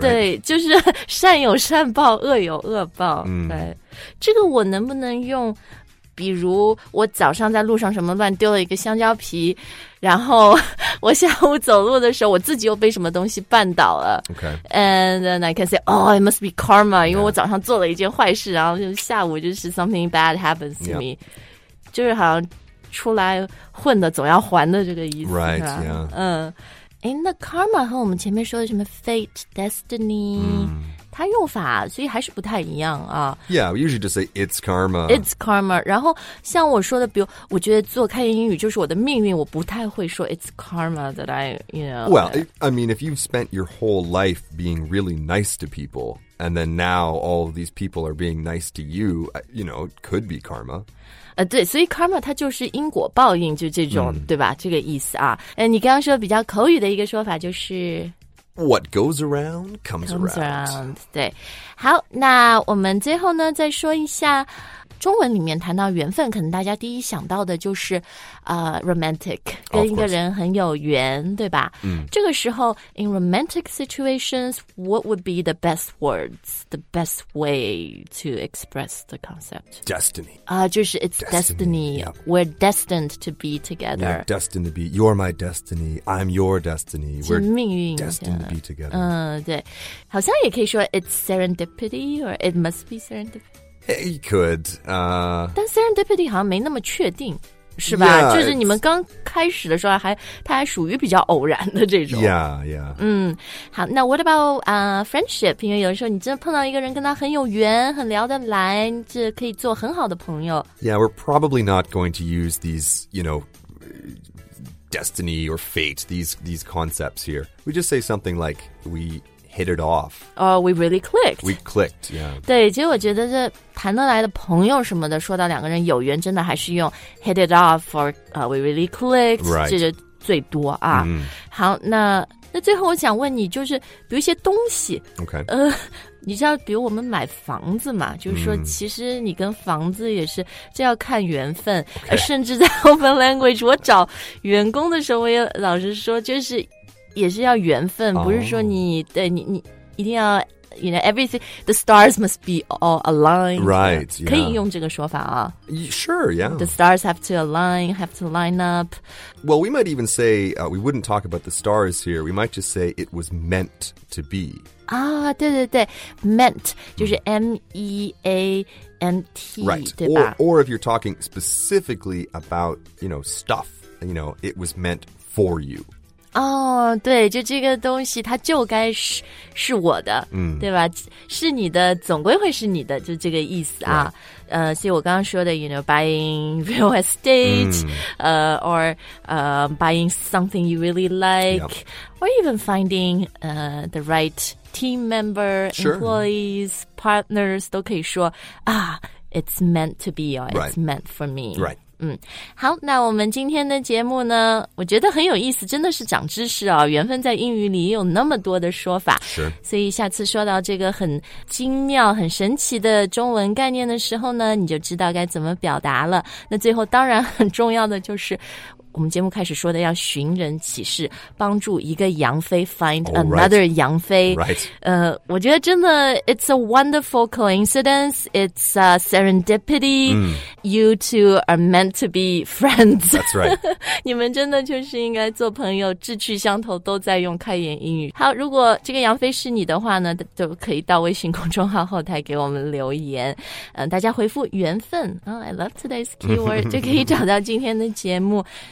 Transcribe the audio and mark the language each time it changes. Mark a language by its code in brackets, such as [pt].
[zh] 对，就是善有善报，恶有恶报。对，这个我能不能用？比如我早上在路上什么乱丢了一个香蕉皮，然后我下午走路的时候，我自己又被什么东西绊倒了。 [en] Okay. And then I can say, oh, it must be karma, [zh] 因为我早上做了一件坏事，然后就下午就是 [en] something bad happens to me. [zh] 就是好像出来混的总要还的这个意思。 [en] Right, yeah. [zh] 诶，那karma和我们前面说的什么fate, destiny... 它用法所以还是不太一样啊。 [en] Yeah, we usually just say it's karma. It's karma. [zh] 然后像我说的比如我觉得做开言英语就是我的命运我不太会说 [en] it's karma that I, you know. Well, I mean, if you've spent your whole life being really nice to people and then now all of these people are being nice to you, you know, it could be karma. [zh] 对所以 karma 它就是因果报应就这种、对吧这个意思啊。你刚刚说比较口语的一个说法就是。 [en] What goes around comes around. [zh] 对，好，那我们最后呢，再说一下中文里面谈到缘分，可能大家第一想到的就是romantic， 跟一个人很有缘，对吧？这个时候 [en] ，in romantic situations， what would be the best words， the best way to express the concept？ Destiny. [zh] 就是 [en] it's destiny. Yeah. We're destined to be together. We're destined to be. You're my destiny. I'm your destiny. We're destined to be together. [zh] 对，好像也可以说 [en] it's serendipity or it must be serendipity. He could. [zh] 但 serendipity 好像没那么确定是吧 [en] yeah, [zh] 就是你们刚开始的时候还它还属于比较偶然的这种。 [en] Yeah, yeah. [zh] 好那 [en] what about, friendship? [zh] 因为有的时候你真的碰到一个人跟他很有缘很聊得来这可以做很好的朋友。 [en] Yeah, we're probably not going to use these, you know, destiny or fate, these concepts here. We just say something like, we... hit it off. Oh, we really clicked. We clicked, yeah. [zh] 对，其实我觉得这谈得来的朋友什么的，说到两个人有缘，真的还是用 [en] hit it off or we really clicked, right. [zh] 这就最多啊。好，那最后我想问你，就是比如一些东西， [en] okay. [zh] 你知道，比如我们买房子嘛，就是说，其实你跟房子也是，这要看缘分。 [en] Okay. [zh] 甚至在 open language， 我找员工的时候，我也老实说，就是。也是要缘分、 [en] oh. [zh] 不是说你对你一定要 [en] you know everything the stars must be all aligned right yeah. [zh] 可以用这个说法啊 [en] sure yeah the stars have to align have to line up well we might even say we wouldn't talk about the stars here we might just say it was meant to be [zh] 啊、oh, 对对对 meant 就是 meant [en] right [zh] 对吧 [en] or if you're talking specifically about you know stuff you know it was meant for you [zh] 哦，对，就这个东西它就该是我的，嗯，对吧，是你的总归会是你的，就这个意思啊。所以我刚刚说的 [en] you know, buying real estate,buying something you really like,or even finding, the right team member, employees, partners, [zh] 都可以说啊 [en] it's meant to be, or it's meant for me. Right. [zh] 嗯，好，那我们今天的节目呢，我觉得很有意思，真的是长知识啊，缘分在英语里也有那么多的说法，是，所以下次说到这个很精妙很神奇的中文概念的时候呢，你就知道该怎么表达了。那最后当然很重要的就是我们节目开始说的要寻人启事，帮助一个杨妃 [en] find another [zh] 杨妃。我觉得真的 [en] it's a wonderful coincidence, it's a serendipity,you two are meant to be friends. That's right. [zh] 你们真的就是应该做朋友，志趣相投，都在用开言英语。好，如果这个杨妃是你的话呢，都可以到微信公众号后台给我们留言。大家回复缘分、 [en] oh, I love today's keyword, [zh] 就可以找到今天的节目。